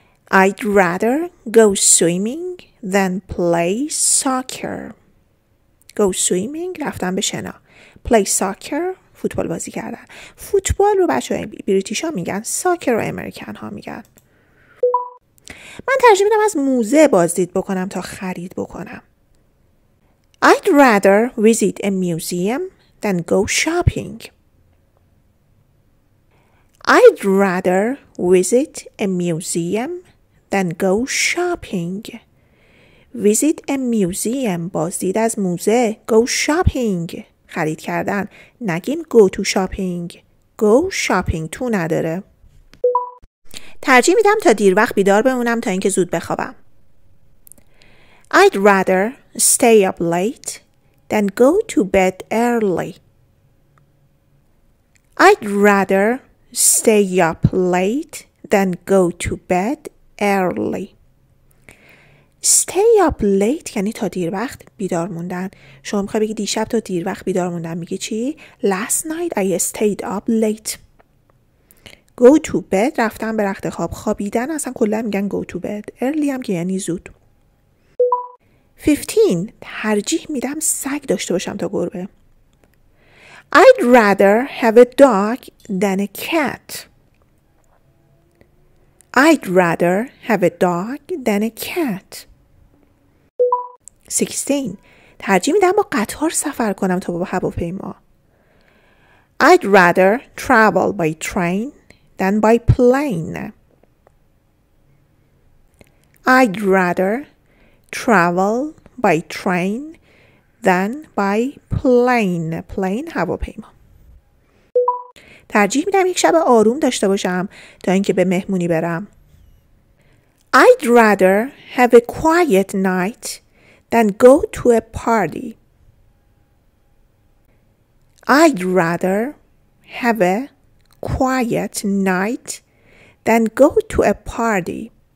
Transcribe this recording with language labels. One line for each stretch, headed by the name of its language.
English: I'd rather go swimming than play soccer. Go swimming،
Persian: رفتن به شنا.
English: Play soccer،
Persian: فوتبال بازی کردن. فوتبال رو بچه‌های بریتیشا میگن، ساکر رو امریکن ها میگن. من ترجیح میدم از موزه بازدید بکنم تا خرید بکنم.
English: I'd rather visit a museum than go shopping. I'd rather visit a museum than go shopping. Visit a museum
Persian: بازدید از موزه،
English: go shopping
Persian: خرید کردن،
English: نگیم go to shopping، go shopping
Persian: تو نداره. ترجیح میدم تا دیر وقت بیدار بمونم تا اینکه زود بخوابم.
English: I'd rather stay up late than go to bed early. I'd rather stay up late than go to bed early. Stay up late
Persian: یعنی تا دیر وقت بیدار موندن. شما میخوای بگی دیشب تا دیر وقت بیدار موندن، میگی چی؟
English: Last night I stayed up late. Go to bed
Persian: رفتن به رخت خواب، خوابیدن اصلا کلا میگن
English: go to bed.
Persian: Early هم که یعنی زود. 15 ترجیح میدم سگ داشته باشم تا گربه.
English: I'd rather have a dog than a cat. I'd rather have a dog than a cat.
Persian: 16 ترجیح میدم با قطار سفر کنم تا با هواپیما.
English: I'd rather travel by train than by plane. I'd rather travel by train than by plane. Plane
Persian: هواپیما. ترجیح میدم یک شب آروم داشته باشم تا اینکه به مهمونی برم.
English: I'd rather have a quiet night than go to a party. I'd rather have a quiet night than go to a party.